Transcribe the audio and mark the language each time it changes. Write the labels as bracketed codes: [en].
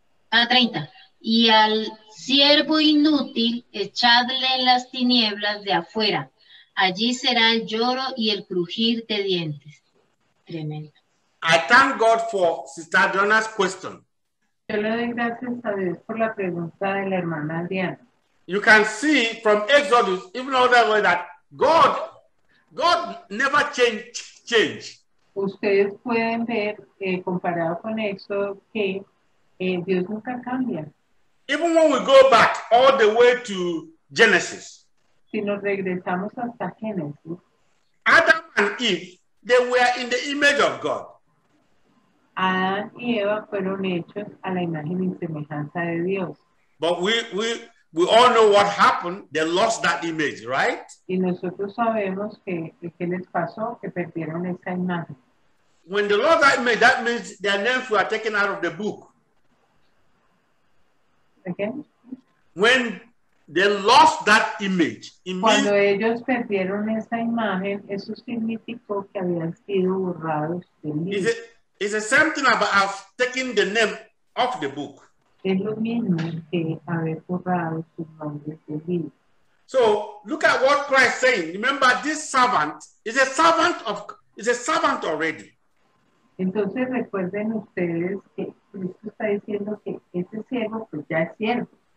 [es] A 30. Y al siervo inútil, echadle en las tinieblas de afuera. Allí será el lloro y el crujir de dientes. Tremendo. [en] I thank God for Sister Diana's question. [es] Yo le doy gracias a Dios por la pregunta de la hermana Diana. [en] You can see from Exodus, even other way, that God never change. [es] Ustedes pueden ver, comparado con Exodus, que Dios nunca cambia. [en] Even when we go back all the way to Genesis. [es] Si nos regresamos hasta Génesis. [en] Adam and Eve, they were in the image of God. [es] Adán y Eva fueron hechos a la imagen y semejanza de Dios. [en] But we all know what happened. They lost that image, right? [es] Y nosotros sabemos que les pasó, que perdieron esa imagen. [en] When they lost that image, that means their names were taken out of the book. Again? When they lost that image, [es] cuando ellos perdieron esa imagen, eso significó que habían sido borrados del libro. [en] It's the same thing about taking the name off the book. [es] Es lo mismo que haber borrado su nombre del libro. [en] So look at what Christ is saying. Remember, this servant is a servant already. [es] Entonces recuerden ustedes que Cristo está diciendo que ese siervo pues ya es siervo.